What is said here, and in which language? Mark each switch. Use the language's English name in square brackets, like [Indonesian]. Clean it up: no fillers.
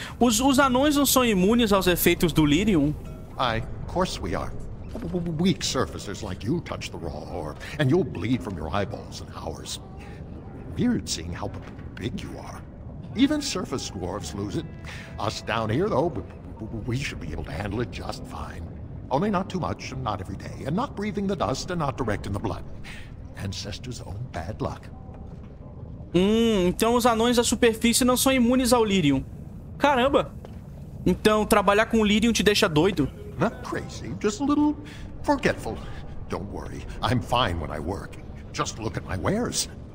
[Portuguese] Os anões não são imunes aos efeitos do lyrium? [English] Of course we are. Weak surfacers like you touch the raw ore, and you'll bleed from your eyeballs in hours. Weird seeing how big you are. Even surface dwarves lose it. Us down here, though, we should be able to handle it just fine. Only not too much, and not every day, and not breathing the dust, and not direct in the blood. Ancestors own bad luck. [Portuguese] Então os anões da superfície não são imunes ao lyrium. Caramba! Então trabalhar com o lyrium te deixa doido? [English] Not crazy, just a little forgetful. Don't worry, I'm fine when I work. Just look at my wares.